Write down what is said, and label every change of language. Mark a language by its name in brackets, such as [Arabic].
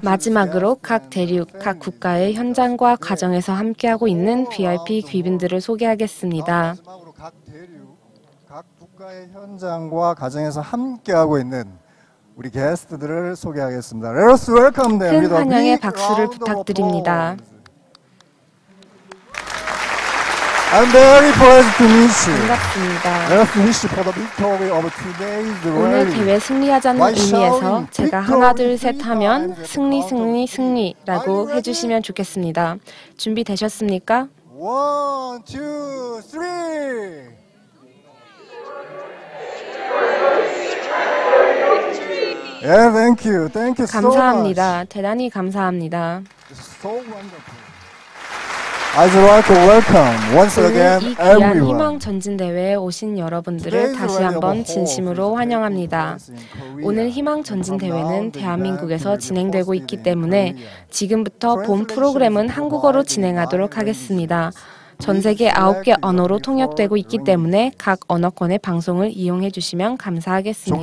[Korean] 마지막으로 각 대륙, 각 국가의 현장과 과정에서 함께하고 있는 VIP 귀빈들을 소개하겠습니다. 마지막으로 각 대륙, 각 국가의 현장과 과정에서 함께하고 있는 우리 게스트들을 소개하겠습니다. [English] Let us welcome them. [Korean] 큰 환영의 박수를 부탁드립니다. [English] I'm very pleased to meet you. [Korean] 반갑습니다. [English] Let's wish for the victory of today's rally. [Korean] 오늘 대회 승리하자는 의미에서 제가 하나 둘 셋 하면 승리 승리 승리라고 해주시면 좋겠습니다. 준비되셨습니까? [English] 1, 2, 3 Yeah, thank you. Thank you so much. [Korean] 감사합니다. 대단히 감사합니다. [English] So wonderful. I'd like to welcome once again everyone. [Korean] 오늘 이 귀한 희망 전진 대회에 오신 여러분들을 다시 한번 진심으로 환영합니다. 오늘 희망 전진 대회는 대한민국에서 진행되고 있기 때문에 지금부터 본 프로그램은 한국어로 진행하도록 하겠습니다. 전 세계 9개 언어로 통역되고 있기 때문에 각 언어권의 방송을 이용해 주시면 감사하겠습니다.